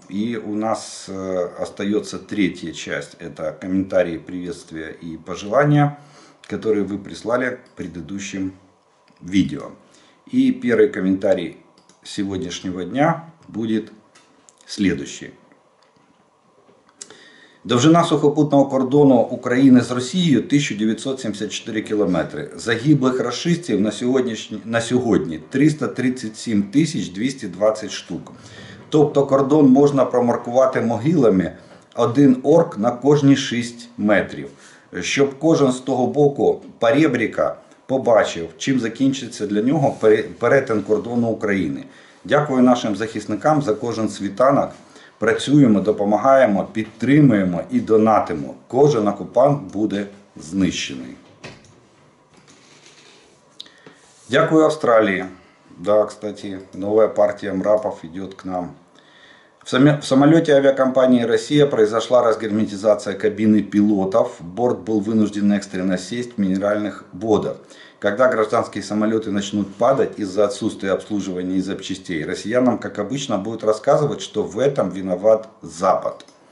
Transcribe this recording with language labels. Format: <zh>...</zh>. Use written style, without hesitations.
<ru>И у нас остается третья часть. Это комментарии, приветствия и пожелания, которые вы прислали к предыдущим видео. И первый комментарий сегодняшнего дня будет следующий.</ru> <uk>Довжина сухопутного кордону України з Росією 1974 кілометри. Загиблих рашистів на сьогодні 337 220 штук. Тобто кордон можна промаркувати могилами, один орк на кожні 6 метрів. Щоб кожен з того боку поребрика побачив, чим закінчиться для нього перетин кордону України. Дякую нашим захисникам за кожен світанок. Працюємо, допомагаємо, підтримуємо і донатимо. Кожен окупант буде знищений. Дякую Австралії. Так,</uk> <ru>да, кстати,</ru> <uk>нова партія МРАПів йде к нам.</uk> <ru>В самолете авиакомпании «Россия» произошла разгерметизация кабины пилотов. Борт был вынужден экстренно сесть в минеральных водах. Когда гражданские самолеты начнут падать из-за отсутствия обслуживания и запчастей, россиянам, как обычно, будут рассказывать, что в этом виноват Запад.</ru>